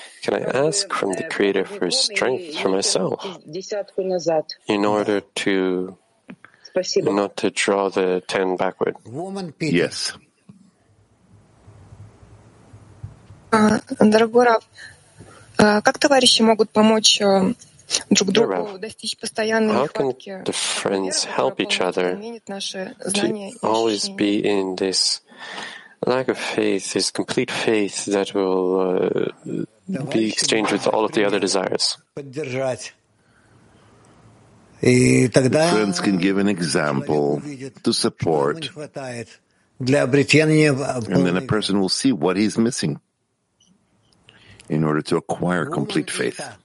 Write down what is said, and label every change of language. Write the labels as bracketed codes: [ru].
[en] Can I ask from the Creator for strength for myself in order to not to draw the 10 backward? Yes. [ru] Дорогой Рав, как товарищи могут помочь [en] How can the friends help each other to always be in this lack of faith, this complete faith that will be exchanged with all of the other desires? The friends can give an example to support, and then a person will see what he's missing in order to acquire complete faith.